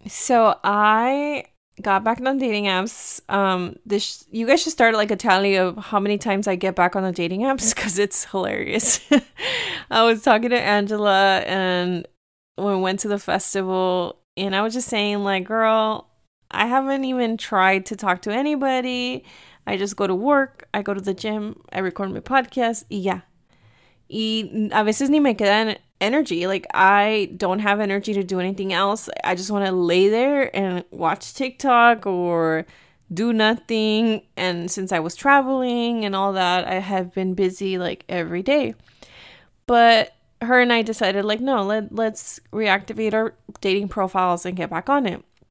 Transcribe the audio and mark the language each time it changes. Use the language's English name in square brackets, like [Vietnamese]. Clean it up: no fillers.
[English] So I got back on dating apps. You guys should start like a tally of how many times I get back on the dating apps because it's hilarious. I was talking to Angela and we went to the festival and I was just saying like, girl, I haven't even tried to talk to anybody. I just go to work. I go to the gym. I record my podcast. Yeah. [Spanish] Y a veces ni me quedan energy. [English] Like, I don't have energy to do anything else. I just want to lay there and watch TikTok or do nothing. And since I was traveling and all that, I have been busy like every day. But her and I decided like, no, let's reactivate our dating profiles and get back on it.